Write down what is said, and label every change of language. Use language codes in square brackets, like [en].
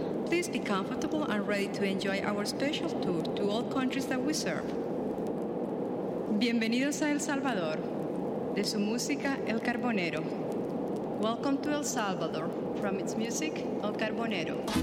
[en] Please be comfortable and ready to enjoy our special tour to all countries that we serve. [es] Bienvenidos a El Salvador, de su música El Carbonero. [en] Welcome to El Salvador, from its music El Carbonero.